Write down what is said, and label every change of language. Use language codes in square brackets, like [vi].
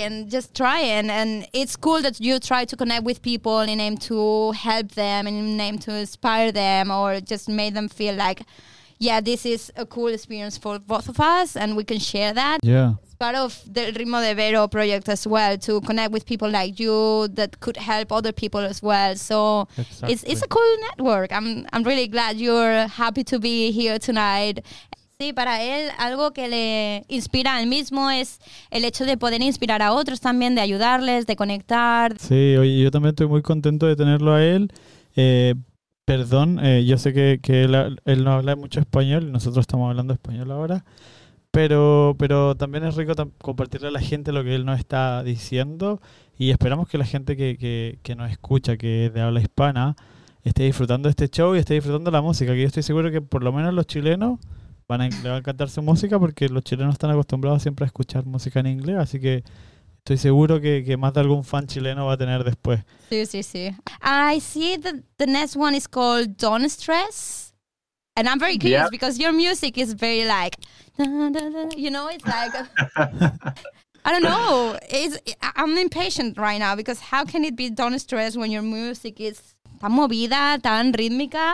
[en] And it's cool that you try to connect with people in aim to help them, in aim to inspire them, or just make them feel like, yeah, this is a cool experience for both of us and we can share that. Yeah. It's part of the Ritmo de Vero project as well, to connect with people like you that could help other people as well. So exactly. It's a cool network. I'm really glad you're happy to be here tonight. [es] Sí, para él algo que le inspira al mismo es el hecho de poder inspirar a otros también, de ayudarles, de conectar. Sí, oye, yo también estoy muy contento de tenerlo a él. Perdón, yo sé que él no habla mucho español, nosotros estamos hablando español ahora, pero también es rico compartirle a la gente lo que él nos está diciendo, y esperamos que la gente que nos escucha, que es de habla hispana, esté disfrutando este show y esté disfrutando la música, que yo estoy seguro que por lo menos los chilenos le va a encantar su música, porque los chilenos están acostumbrados siempre a escuchar música en inglés, así que estoy seguro que más de algún fan chileno va a tener después. [en] Sí. I see that the next one is called Don't Stress. And I'm very curious because your music is very like, you know, it's like, I don't know. I'm impatient right now because how can it be done stress when your music is [es] tan movida, tan rítmica?